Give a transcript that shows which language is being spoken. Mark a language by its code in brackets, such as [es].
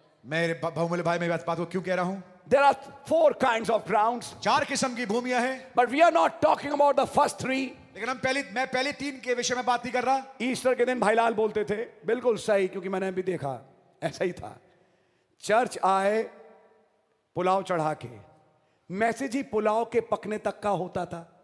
[hi] मेरे बहुमूल्य भाई, मैं बात को क्यों कह रहा हूं? [en] There are four kinds of grounds. [hi] चार किस्म की भूमियां हैं। [en] But we are not talking about the first three. [hi] लेकिन मैं पहले तीन के विषय में बात नहीं कर रहा। ईस्टर के दिन भाईलाल बोलते थे, बिल्कुल सही, क्योंकि मैंने अभी देखा ऐसा ही था। चर्च आए पुलाव चढ़ा के, मैसेज ही पुलाव के पकने तक का होता था।